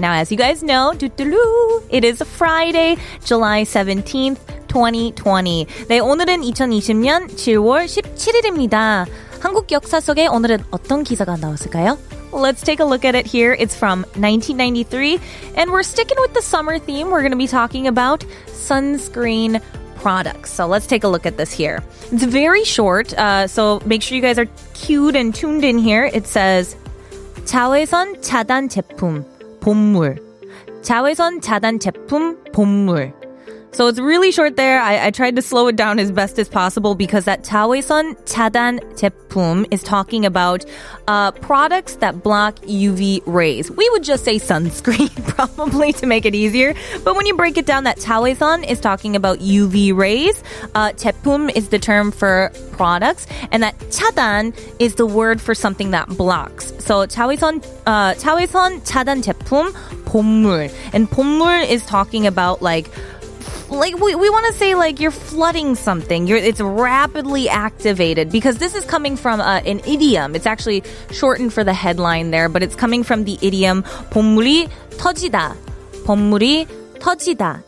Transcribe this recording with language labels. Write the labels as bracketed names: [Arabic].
[English] Now, as you guys know, it is Friday, July 17th, 2020. [Korean] 네, 오늘은 2020년 7월 17일입니다. 한국 역사 속에 오늘은 어떤 기사가 나왔을까요? [English] Let's take a look at it here. It's from 1993, and we're sticking with the summer theme. We're going to be talking about sunscreen products. So let's take a look at this here. It's very short, so make sure you guys are cued and tuned in here. It says, [Korean] 자외선 차단 제품, 봄물. 자외선 차단 제품, 봄물. [English] So it's really short there. I tried to slow it down as best as possible because that [Korean] 자외선 차단 제품 [English] is talking about products that block UV rays. We would just say sunscreen probably to make it easier. But when you break it down, that 자외선 is talking about UV rays. 제품 is the term for products. And that 차단 is the word for something that blocks. [Korean] So 자외선 차단 제품 봄물. [English] And 봄물 is talking about like we want to say like you're flooding something. It's rapidly activated because this is coming from an idiom. It's actually shortened for the headline there, but it's coming from the idiom [Korean] 봄물이 터지다. 봄물이 터지다.